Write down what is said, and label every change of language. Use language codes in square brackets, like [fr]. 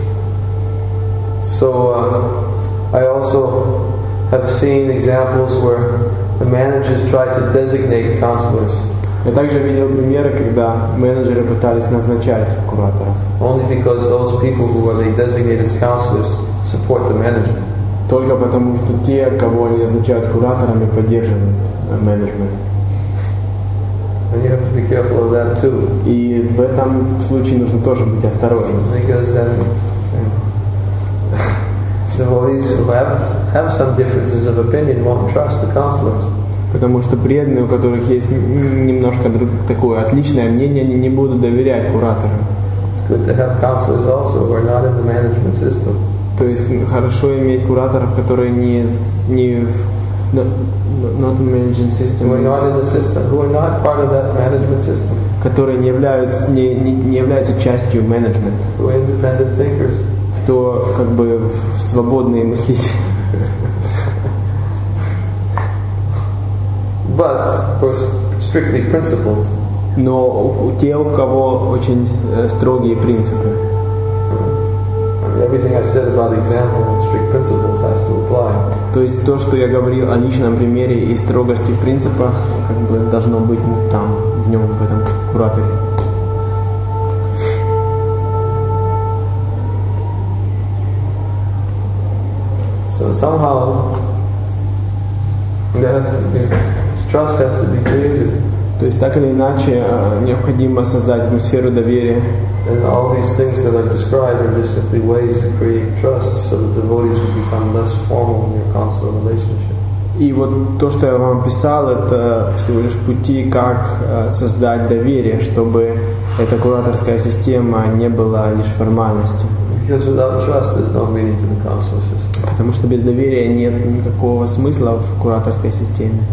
[en] I also have seen examples where the managers try to designate counselors. [ru] Я также видел примеры, когда менеджеры пытались назначать кураторов. [en] Only because those people who are designated as counselors support the manager. [ru] Только потому, что те, кого они назначают кураторами, поддерживают менеджмент. [en] And you have to be careful of that too. [ru] И в этом случае нужно тоже быть осторожным. [en] Because then the devotees who have some differences of opinion won't trust the counselors. [ru] Потому что преданные, у которых есть немножко такое отличное мнение, они не будут доверять кураторам. [en] It's good to have counselors also who are not in the management system. [ru] То есть хорошо иметь кураторов, которые не в [en] not in management system. Who are not in the system, who are not part of that management system. [ru] Которые не являются частью менеджмента. [en] Who are independent thinkers. [ru] Кто как бы свободные мыслители. [en] But were strictly principled. [ru] Но у тех, у кого очень строгие принципы. [en] Everything I said about example and strict principles has to apply. [ru] То есть то, что я говорил о личном примере и строгости в принципах, как бы должно быть там в нем в этом кураторе. [en] So somehow there has to be. Trust has to be created. [ru] То есть так или иначе необходимо создать атмосферу доверия. [en] And all these things that I've described are just simply ways to create trust, so that the devotees will become less formal in your counselor relationship. [ru] И вот то, что я вам писал, это всего лишь пути, как создать доверие, чтобы эта кураторская система не была лишь формальностью. [en] Because without trust, there's no meaning to the consular system. [ru] Потому что без доверия нет никакого смысла в кураторской системе.